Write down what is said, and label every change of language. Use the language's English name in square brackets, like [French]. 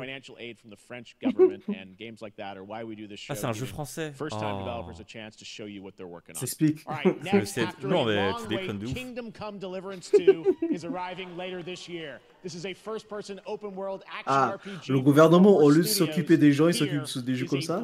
[English] Financial aid from the French government and games like that are why we do this show. [French] Ah, c'est un jeu français. [English] First-time oh. developers a chance to show you what they're working on. [French] S'explique. [English] All right, next, [French] non, mais tu déconnes de ouf. [English] Kingdom Come Deliverance 2 is arriving later this year. This is a first-person open world action ah, RPG. [French] Le gouvernement, au lieu de s'occuper des gens, il s'occupe des jeux comme ça.